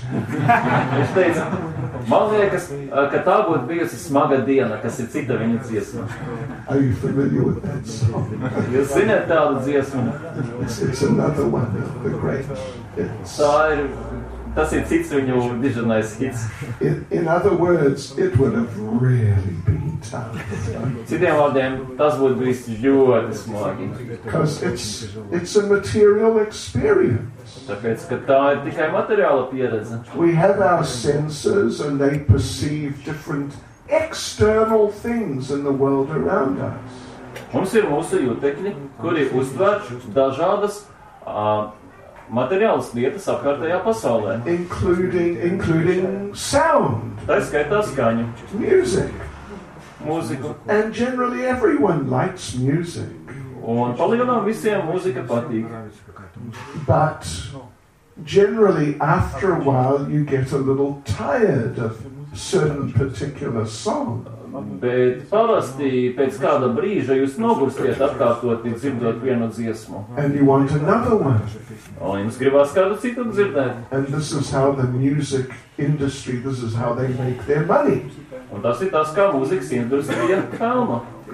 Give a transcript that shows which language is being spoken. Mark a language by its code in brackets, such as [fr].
[lv] Viņš teica, man liekas, ka tā būtu bijusi smaga diena, kas ir cita viņa dziesma. [en] Are you familiar with that song? [lv] Jūs zināt tādu dziesmu? [en] It's another one of the great hits. [lv] Tā ir... Tas ir cits viņu dižanais hits. [en] In other words, it would have really been tough. [lv] Citiem vārdiem, tas būtu bijis ļoti smagi. [en] Because it's a material experience. [lv] Tāpēc, ka tā ir tikai materiāla pieredze. [en] We have our senses and they perceive different external things in the world around us. [lv] Mums ir mūsu jūtekļi, kuri uztver dažādas materiālas lietas apkārtējā pasaulē. [en] Including sound. [lv] Tā skaitā skaņu. [en] Music. [lv] Mūziku. [en] And generally everyone likes music. [lv] Un palielinām visiem mūzika patīk. [en] But generally after a while you get a little tired of certain particular song. [lv] Bet parasti pēc kāda brīža jūs nogurstiet atkārtot un dzirdot vienu dziesmu. [en] And you want another one. [lv] Un jums gribas kādu citu dzirdēt. [en] And this is how the music industry, this is how they make their money. [lv] Un tas ir tas, kā mūzikas industrija pelna.